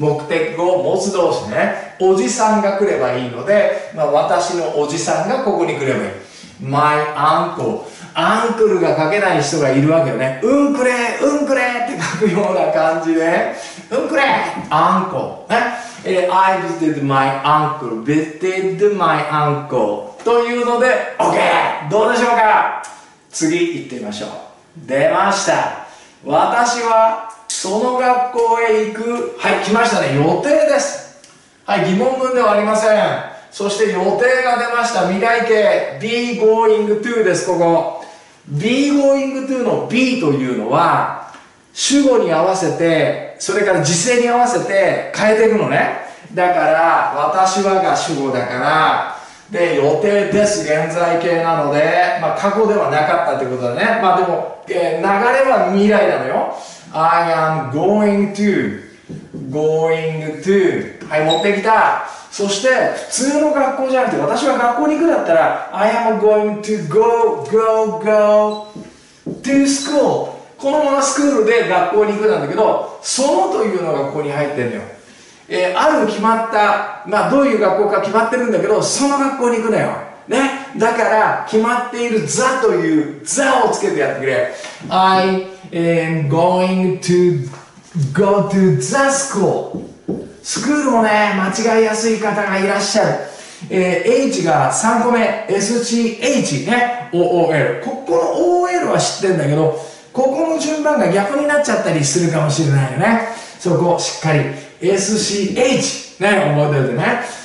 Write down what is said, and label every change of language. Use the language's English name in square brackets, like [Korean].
[Japanese] 目的語を持つ動詞ね。おじさんが来ればいいので、まあ、私のおじさんがここに来ればいい。 My uncle、 アンクルが書けない人がいるわけよね。うんくれうんくれって書くような感じで、うんくれアンコね。 [English] I visited my uncle, visited my uncle [Japanese] というので [English] OK! [Japanese] どうでしょうか。次行ってみましょう。出ました。私はその学校へ行く、はい、来ましたね。予定です。はい、疑問文ではありません。そして予定が出ました。未来形 be going to です。ここ be going to の be というのは主語に合わせて、それから時制に合わせて変えていくのね。だから私はが主語だから、で予定です、現在形なので、まあ過去ではなかったということだね。まあでも、流れは未来なのよ。 [English] I am going to、 going to、 [Japanese] はい、持ってきた。そして普通の学校じゃなくて私は学校に行くだったら [English] I am going to go go go to school、 [Japanese] このままスクールで学校に行くなんだけど、そのというのがここに入ってるのよ。ある決まった、まあどういう学校か決まってるんだけど、その学校に行くのよ。ね。だから、決まっているザというザをつけてやってくれ。 [English] I am going to go to the school. [Japanese] スクールもね、間違いやすい方がいらっしゃる。 H が3個目、SCH ね。OOL。ここの OL は知ってるんだけど、ここの順番が逆になっちゃったりするかもしれないよね。そこをしっかり SCH ね、覚えておいてね。